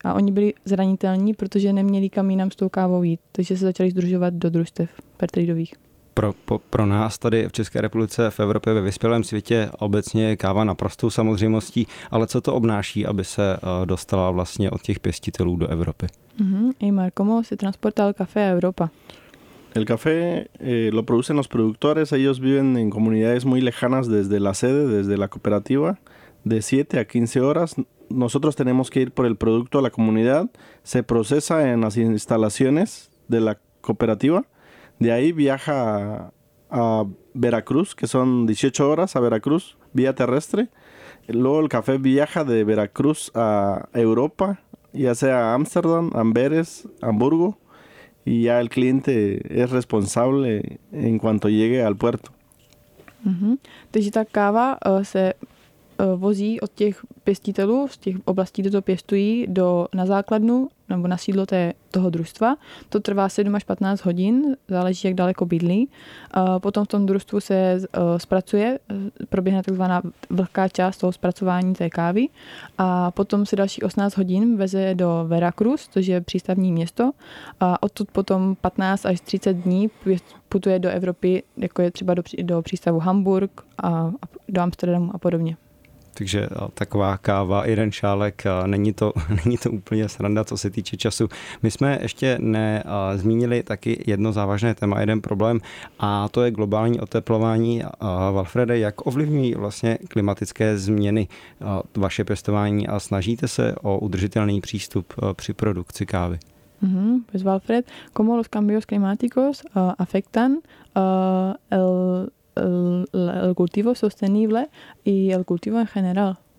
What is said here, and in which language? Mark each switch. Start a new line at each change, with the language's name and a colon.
Czech: A oni byli zranitelní, protože neměli kam jinam s tou kávou jít, takže se začali sdružovat do družstev fair tradeových. Pro nás tady v České republice, v Evropě, ve vyspělém světě obecně je káva naprostou samozřejmostí, ale co to obnáší, aby se dostala vlastně od těch pěstitelů do Evropy?
Spanish: Imar, cómo se transporta el café a Europa? El café lo producen los productores, ellos viven en comunidades muy lejanas desde la sede, desde la cooperativa, de 7 a 15 horas. Nosotros tenemos que ir por el producto a la comunidad, se procesa en las instalaciones de la cooperativa, de ahí viaja a Veracruz, que son 18 horas a Veracruz, vía terrestre. Luego el café viaja de Veracruz a Europa, ya sea a Ámsterdam, Amberes, Hamburgo, y ya el cliente es responsable en cuanto llegue al puerto.
Czech: Takže ta káva se vozí od těch pěstitelů z těch oblastí, kde to pěstují, do na základnu nebo na sídlo toho družstva. To trvá 7 až 15 hodin, záleží, jak daleko bydlí. Potom v tom družstvu se zpracuje, proběhne takzvaná vlhká část toho zpracování té kávy. A potom se další 18 hodin veze do Veracruz, což je přístavní město. A odtud potom 15 až 30 dní putuje do Evropy, jako je třeba do přístavu Hamburg a do Amsterdamu a podobně. Takže taková káva, jeden šálek, není to úplně sranda, co se týče času. My jsme ještě nezmínili taky jedno závažné téma, jeden problém, a to je globální oteplování. Valfrede, jak ovlivňují vlastně klimatické změny vaše pěstování a snažíte se o udržitelný přístup při produkci kávy?
Spanish: Pues Valfred, ¿cómo los cambios climáticos afectan el cultivo sostenible y el cultivo en general?